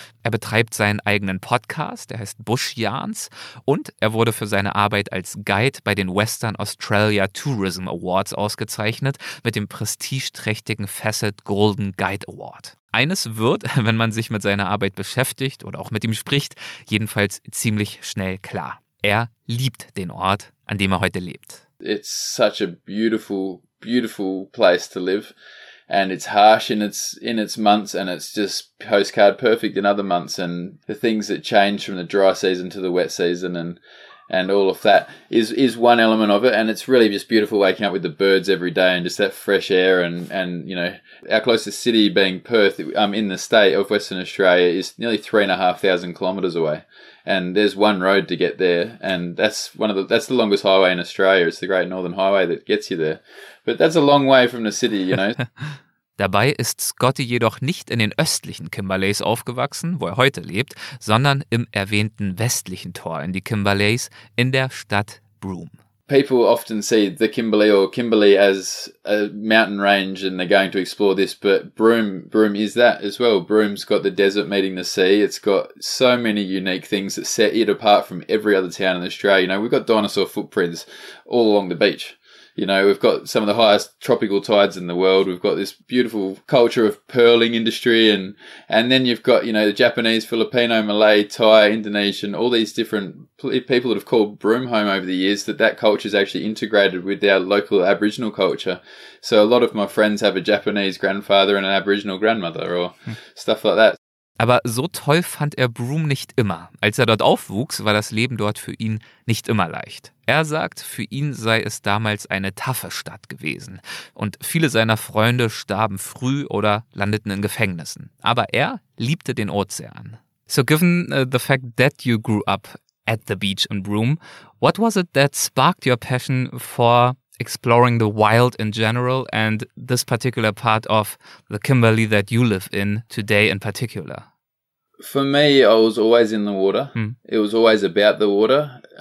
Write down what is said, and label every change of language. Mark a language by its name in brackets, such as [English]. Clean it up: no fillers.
[German] Er betreibt seinen eigenen Podcast, der heißt Bush Yarns, und er wurde für seine Arbeit als Guide bei den Western Australia Tourism Awards ausgezeichnet mit dem prestigeträchtigen Facet Golden Guide Award. Eines wird, wenn man sich mit seiner Arbeit beschäftigt oder auch mit ihm spricht, jedenfalls ziemlich schnell klar. Er liebt den Ort, an dem er heute lebt. [English] It's such a beautiful, beautiful place to live. And it's harsh in its months and it's just postcard perfect in other months. And the things that change from the dry season to the wet season and all of that is one element of it, and it's really just beautiful waking up with the birds every day and just that fresh air and you know, our closest city being Perth, in the state of Western Australia, is nearly 3,500 kilometers away, and there's one road to get there, and that's the longest highway in Australia. It's the Great Northern Highway that gets you there, but that's a long way from the city, you know. [German] Dabei ist Scotty jedoch nicht in den östlichen Kimberleys aufgewachsen, wo er heute lebt, sondern im erwähnten westlichen Tor in die Kimberleys in der Stadt Broome. [English] People often see the Kimberley or Kimberley as a mountain range and they're going to explore this, but Broome is that as well. Broome's got the desert meeting the sea. It's got so many unique things that set it apart from every other town in Australia. You know, we've got dinosaur footprints all along the beach. You know, we've got some of the highest tropical tides in the world. We've got this beautiful culture of pearling industry. And then you've got, you know, the Japanese, Filipino, Malay, Thai, Indonesian, all these different people that have called Broome home over the years, that culture is actually integrated with our local Aboriginal culture. So a lot of my friends have a Japanese grandfather and an Aboriginal grandmother or stuff like that. [German] Aber so toll fand er Broome nicht immer. Als er dort aufwuchs, war das Leben dort für ihn nicht immer leicht. Er sagt, für ihn sei es damals eine taffe Stadt gewesen. Und viele seiner Freunde starben früh oder landeten in Gefängnissen. Aber er liebte den Ozean. [English] So given the fact that you grew up at the beach in Broome, what was it that sparked your passion for exploring the wild in general and this particular part of the Kimberley that you live in today in particular? For me, I was always in the water. Mm. It was always about the water.